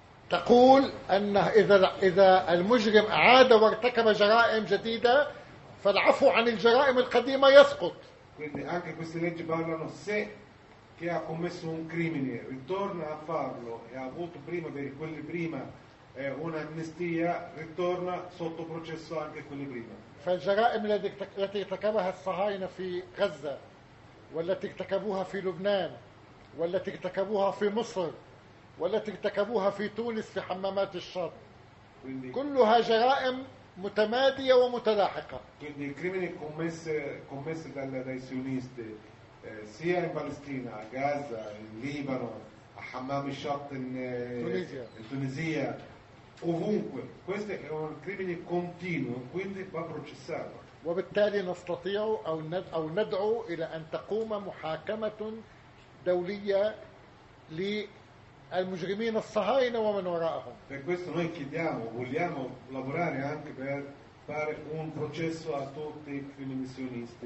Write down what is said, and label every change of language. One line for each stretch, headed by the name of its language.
Arabic: تقول أن إذا المجرم عاد وارتكب جرائم جديدة فالعفو عن الجرائم القديمة يسقط.
Italian: Quindi anche queste leggi parlano se chi ha commesso un crimine ritorna a farlo e ha avuto prima di quelli prima un'amnistia, ritorna sotto processo anche quelli prima.
Arabic: فالجرائم التي ارتكبها الصهاينة في غزة والتي ارتكبوها في لبنان والتي ارتكبوها في مصر والتي ارتكبوها في تونس في حمامات الشط كلها جرائم متمادية ومتلاحقة.
Italian: Quindi i crimini commessi dai sionisti sia in Palestina, a Gaza, in Libano, a Hammam al-Shatt in Tunisia, ovunque. Questi sono crimini continui, quindi va processato.
Arabic: وبالتالي نستطيع أو ندعو إلى أن تقوم محاكمة دولية للمجرمين الصهاينة ومن وراءهم.
Italian: Per questo noi chiediamo, vogliamo lavorare anche per fare un processo a tutti i filimissionisti.